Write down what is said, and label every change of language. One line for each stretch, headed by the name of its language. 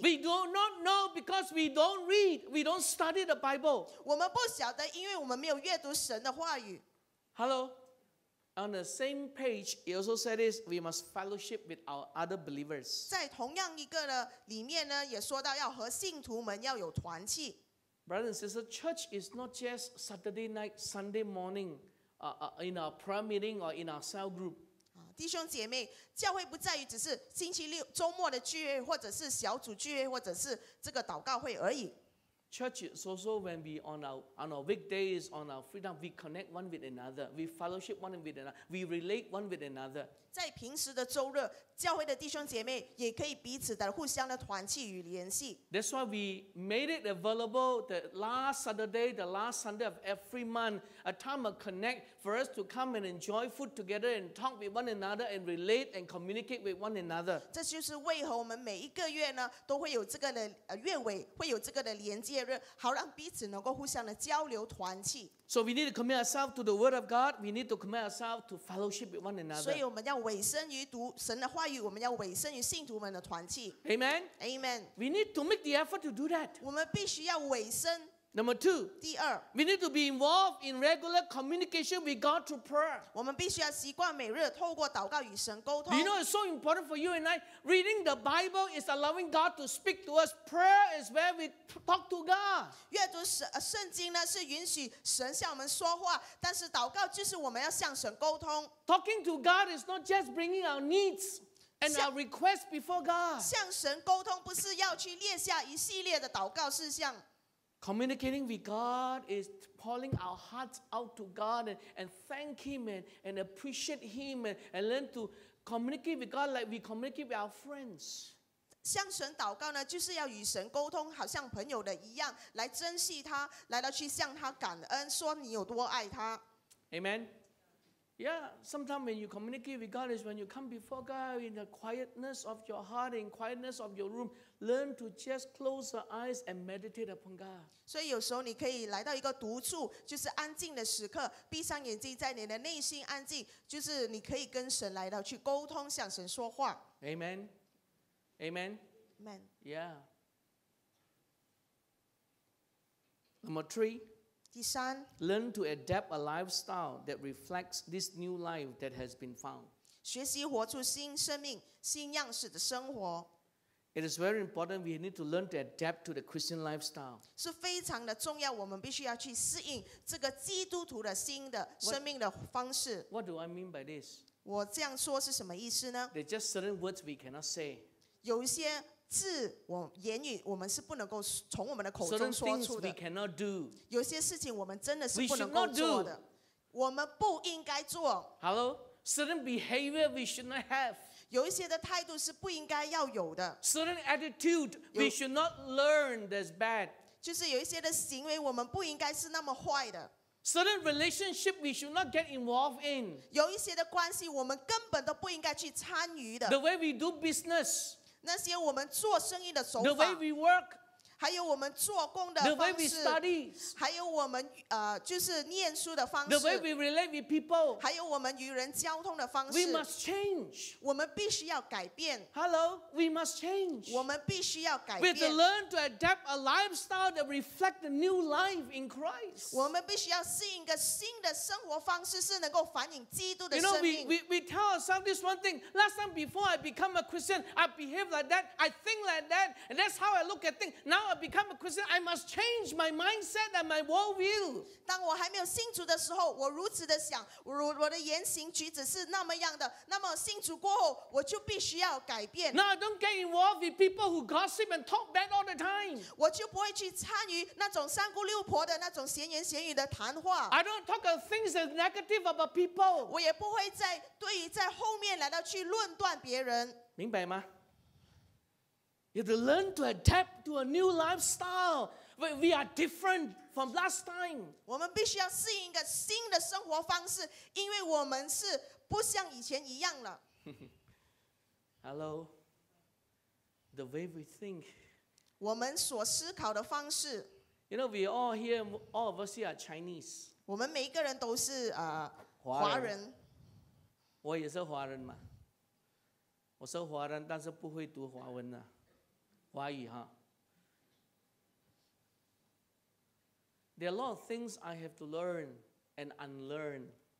English: We do not know because we don't read, we don't study the Bible.
Chinese: 我们不晓得，因为我们没有阅读神的话语。
English: Hello? On the same page, it also said this, we must fellowship with our other believers.
Chinese: 在同样一个呢里面呢也说到要和信徒们要有团契。
English: Brothers and sisters, church is not just Saturday night, Sunday morning, in our prayer meeting or in our cell group.
Chinese: 弟兄姐妹，教会不在于只是星期六周末的聚会，或者是小组聚会，或者是这个祷告会而已。
English: Church is also when we on our weekdays, on our free time, we connect one with another. We fellowship one with another. We relate one with another.
Chinese: 在平时的周日，教会的弟兄姐妹也可以彼此的互相的团契与联系。
English: That's why we made it available the last Saturday, the last Sunday of every month, a time of connect for us to come and enjoy food together and talk with one another and relate and communicate with one another.
Chinese: 这就是为何我们每一个月呢都会有这个的月尾会有这个的连接。好让彼此能够互相的交流团契。
English: So we need to commit ourselves to the Word of God. We need to commit ourselves to fellowship with one another.
Chinese: 所以我们要委身于读神的话语，我们要委身于信徒们的团契。
English: Amen. Amen. We need to make the effort to do that.
Chinese: 我们必须要委身。
English: Number two.
Chinese: 第二。
English: We need to be involved in regular communication with God through prayer.
Chinese: 我们必须要习惯每日透过祷告与神沟通。
English: You know it's so important for you and I. Reading the Bible is allowing God to speak to us. Prayer is where we talk to God.
Chinese: 阅读圣经呢是允许神向我们说话，但是祷告就是我们要向神沟通。
English: Talking to God is not just bringing our needs. And our request before God.
Chinese: 向神沟通不是要去列下一系列的祷告事项。
English: Communicating with God is pouring our hearts out to God and thank Him and appreciate Him and learn to communicate with God like we communicate with our friends.
Chinese: 向神祷告呢，就是要与神沟通，好像朋友的一样，来珍惜他，来到去向他感恩，说你有多爱他。
English: Amen. Yeah, sometimes when you communicate with God is when you come before God in the quietness of your heart, in quietness of your room, learn to just close your eyes and meditate upon God.
Chinese: 所以有时候你可以来到一个独处，就是安静的时刻，闭上眼睛，在你的内心安静，就是你可以跟神来到去沟通，向神说话。
English: Amen. Amen. Amen. Yeah. Number three.
Chinese: 第三,
English: learn to adapt a lifestyle that reflects this new life that has been found.
Chinese: 学习活出新生命，新样式的生活。
English: It is very important we need to learn to adapt to the Christian lifestyle.
Chinese: 是非常的重要，我们必须要去适应这个基督徒的新的生命的方式。
English: What do I mean by this?
Chinese: 我这样说是什么意思呢？
English: There's just certain words we cannot say.
Chinese: 有一些字我言语我们是不能够从我们的口中说出的。
English: Certain things we cannot do.
Chinese: 有些事情我们真的是不能够做的。我们不应该做。
English: Hello? Certain behavior we should not have.
Chinese: 有一些的态度是不应该要有的。
English: Certain attitude we should not learn that's bad.
Chinese: 就是有一些的行为我们不应该是那么坏的。
English: Certain relationship we should not get involved in.
Chinese: 有一些的关系我们根本都不应该去参与的。
English: The way we do business.
Chinese: 那些我们做生意的手法
English: The way we work
Chinese: 还有我们做工的方式
English: the way we study,
Chinese: 还有我们、就是念书的方式
English: the way we relate with people,
Chinese: 还有我们与人交通的方式
English: we must change,
Chinese: 我们必须要改变
English: Hello, we must change,
Chinese: 我们必须要改变
English: we have to learn to adapt a lifestyle that reflects the new life in Christ,
Chinese: 我们必须要适应一个新的生活方式是能够反映基督的生命
English: you know, we tell ourselves this one thing, last time before I become a Christian, I behave like that, I think like that, and that's how I look at things, nowI become a Christian, I must change my mindset and my worldview.
Chinese: 当我还没有信主的时候，我如此的想，我的言行举止是那么样的。那么信主过后，我就必须要改变。
English: Now I don't get involved with people who gossip and talk bad all the time.
Chinese: 我就不会去参与那种三姑六婆的那种闲言闲语的谈话。
English: I don't talk of things that are negative about people.
Chinese: 我也不会在对于在后面来到去论断别人。明白吗？
English: You have to learn to adapt to a new lifestyle. We are different from last time.
Chinese: 我们必须要适应一个新的生活方式，因为我们是不像以前一样了。
English: Hello. The way we think.
Chinese: 我们所思考的方式。
English: You know, we all here, all of us here are Chinese.
Chinese: 我们每一个人都是华人。我也是华人嘛。我是华人，但是不会读华文啊。华语哈
English: There are a lot of things I have to learn and unlearn.